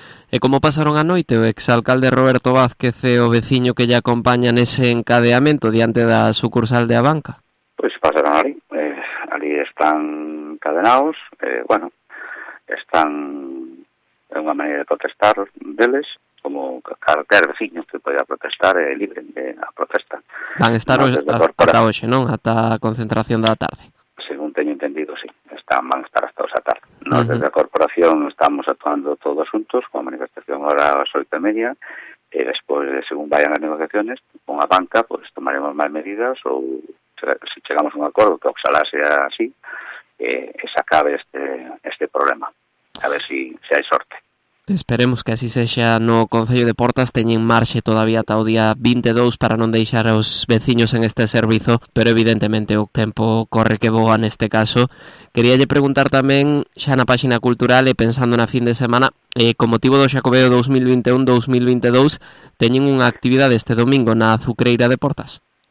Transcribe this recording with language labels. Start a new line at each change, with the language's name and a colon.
Galician: E como pasaron a noite o exalcalde Roberto Vázquez e o veciño que lle acompaña nese encadeamento diante da sucursal de Abanca? Pois pasaron ali, ali están encadenados, bueno, están é unha maneira de protestar deles, como calquer veciño que poida protestar é libre de a protesta. Van estar ata hoxe, non? Ata a concentración da tarde.
Spanish: Según teño entendido, sí, van a estar hasta hoxe a tarde. Nos, desde la corporación, estamos actuando todos juntos con manifestación ahora a las 8:30. Después, según vayan las negociaciones, con la banca, pues tomaremos más medidas o si llegamos a un acuerdo, que ojalá sea así, se acabe este problema.
Galician: A ver si hai sorte. Esperemos que así sexa no Concello de Portas. Teñen marxe todavía ata o día 22 para non deixar aos veciños en este servizo, pero evidentemente o tempo corre que boa neste caso. Queríalle preguntar tamén, xa na páxina cultural e pensando na fin de semana, con motivo do Xacobeo 2021-2022, teñen unha actividade este domingo na Azucreira de Portas?